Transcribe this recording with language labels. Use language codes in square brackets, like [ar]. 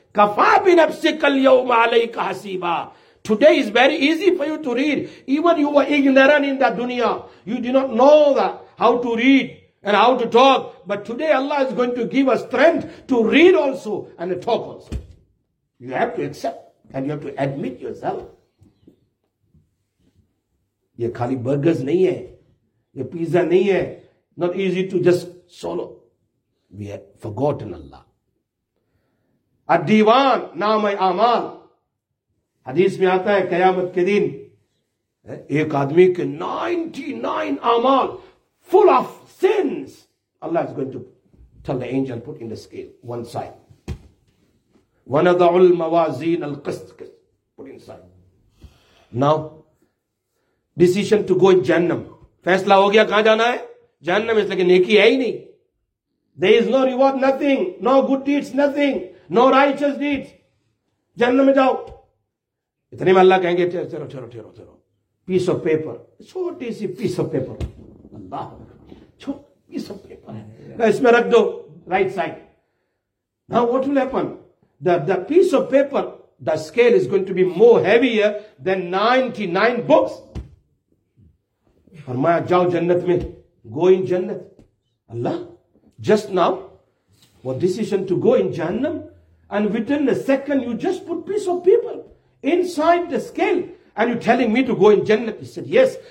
[ar] कफा बिन नफ्से कल यौम अलैक हसीबा, [en] Today is very easy for you to read. Even you were ignorant in the दुनिया, you do not know the how to read and how to talk, but today Allah is going to give us strength to read also and talk also. You have to accept and you have to admit yourself. [hi] ये खाली burgers नहीं है, ये pizza नहीं है, [en] not easy to just swallow. We have forgotten Allah. [hi] A diwan naam hai amal. [en] Hadith [hi] में आता है कयामत के दिन एक आदमी के [en] 99 amal full of sins, Allah is going to tell the angel put in the scale one side. [ar] ونضع الموازين القسط, [en] put inside. Now, decision to go in Jahannam. [hi] फैसला हो गया कहां जाना है, जहन्नम, इसलिए नेकी है ही नहीं। [en] There is no reward, nothing, no good deeds, nothing, no righteous deeds. [hi] जहन्नम में जाओ। इतने में अल्लाह कहेंगे चलो चलो चलो चलो, [en] piece of paper, [hi] छोटी सी [en] piece of paper, अल्लाह [hi] छोटी [en] piece of paper [hi] है, इसमें रख दो right side. [en] Now what will happen? The piece of paper, the scale is going to be more heavier than 99 books. [hi] Farmaya jao jannat mein, [en] go in jannat. Allah, just now, what decision to go in jannam, and within a second you just put piece of paper inside the scale and you're telling me to go in jannat. He said, yes.